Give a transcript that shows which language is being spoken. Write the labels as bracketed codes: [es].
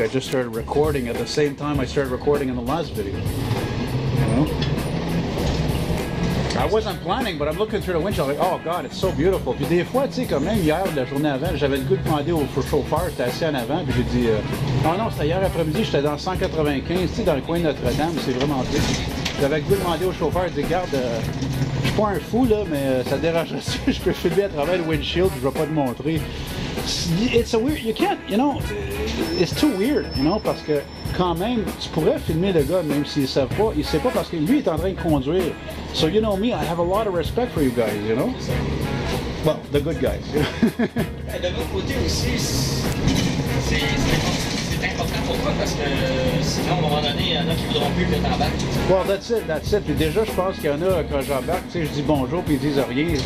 [en] I just started recording at the same time I started recording in the last video. You know? I wasn't planning, but I'm looking through the windshield, like, oh god, it's so beautiful. [fr] Puis des fois, tu sais, quand même hier, la journée avant, j'avais le goût de demander au chauffeur, j'étais assis en avant, puis j'ai dit, oh non, c'était hier après-midi, j'étais dans 195, tu sais, dans le coin de Notre-Dame, c'est vraiment triste. J'avais le goût de demander au chauffeur, j'ai dit, garde, je suis pas un fou, là, mais ça dérangerait-tu, je peux filmer à travers le windshield, je vais pas te montrer. [en] It's a weird, you can't, you know, [fr] it's too weird, you know, parce que quand même, tu pourrais filmer le gars, même s'il savent pas, il sait pas parce que lui est en train de conduire. [en] So you know me, I have a lot of respect for you guys, you know? Well, the good guys. [fr] De l'autre côté aussi, c'est important pour moi parce que sinon, à un moment donné, il y en a qui voudront plus que t'embarques. [en] Well, that's it. [fr] Puis déjà, je pense qu'il y en a, quand j'embarque, tu sais, je dis bonjour puis ils disent rien.